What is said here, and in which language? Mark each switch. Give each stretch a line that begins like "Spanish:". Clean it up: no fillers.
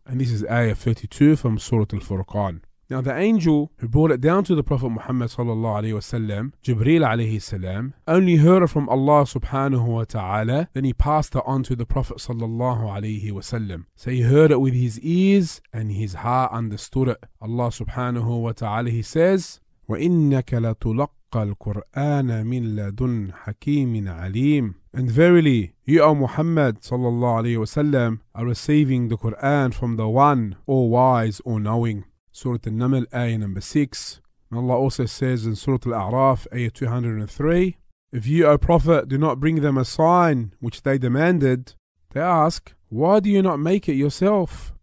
English: And this is Ayah 32 from Surah Al-Furqan. Now the angel who brought it down to the Prophet Muhammad sallallahu alayhi wa sallam, Jibreel alayhi salam, only heard it from Allah subhanahu wa ta'ala, then he passed it on to the Prophet sallallahu alayhi wa sallam. So he heard it with his ears and his heart understood it. Allah subhanahu wa ta'ala, he says,
Arabic: وَإِنَّكَ لَتُلَقَّ الْقُرْآنَ مِنْ لَدُنْ حَكِيمٍ عَلِيمٍ.
English: And verily, you, O Muhammad sallallahu alayhi wa sallam, are receiving the Qur'an from the One, all wise, all knowing. Surah An-Naml, ayah number 6. And Allah also says in Surah Al-A'raf, ayah 203, if you, O Prophet, do not bring them a sign which they demanded, they ask, why do you not make it yourself?